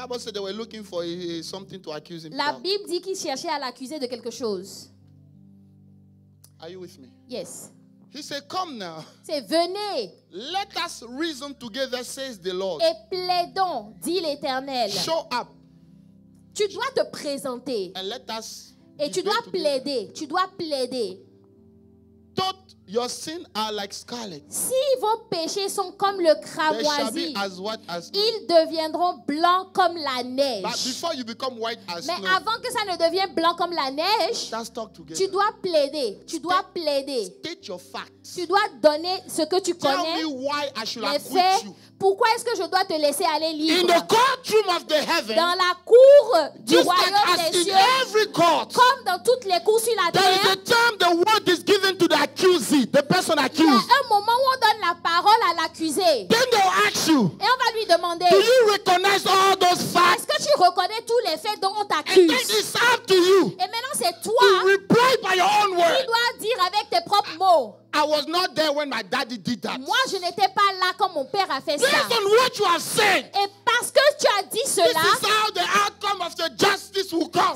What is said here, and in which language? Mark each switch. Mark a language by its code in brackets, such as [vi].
[en] the Bible said they were looking for something to accuse him. [fr] La Bible dit qu'ils cherchaient à l'accuser de quelque chose. [en] Are you with me? Yes. He said, "Come now." [fr] C'est venez. [en] Let us reason together, says the Lord. [fr] Et plaidons, dit l'Éternel. [en] Show up. [fr] Tu dois te présenter. [en] And let us. [fr] Et tu dois plaider. Tu dois plaider. [en] Thought your sins are like scarlet. [fr] Si vos péchés sont comme le cramoisi, [en] as white as snow. [fr] Ils deviendront blancs comme la neige. [en] But before you become white as [fr] mais [en] snow, [fr] avant que ça ne devienne blanc comme la neige, [en] let's talk together. [fr] Tu dois plaider. Tu dois plaider. [en] State your facts. [fr] Tu dois donner ce que tu [en] tell [fr] connais. [en] Me why I should [fr] les faits. [en] You. [fr] Pourquoi est-ce que je dois te laisser aller libre? [en] In the courtroom of the heaven, [fr] dans la cour du [en] just [fr] royaume [en] like [fr] des [en] as [fr] cieux, [en] in every court, [fr] comme dans toutes les cours sur la [en] there [fr] terre, [en] is a time the word is given to the accuser. The person accused. [fr] Il y a un moment où on donne la parole à l'accusé. [en] Then they'll ask you, [fr] et on va lui demander, [en] do you recognize all those facts? [fr] Est-ce que tu reconnais tous les faits dont on t'accuse? [en] And then it's up to you, [fr] et maintenant c'est toi [en] to reply by your own word. [fr] Qui dois dire avec tes propres mot. [en] I was not there when my daddy did that. [fr] Moi, je n'étais pas là quand mon père a fait [en] Based [fr] ça. [en] On what you have said, [fr] et parce que tu as dit cela, [en] this is how the outcome of the justice will come.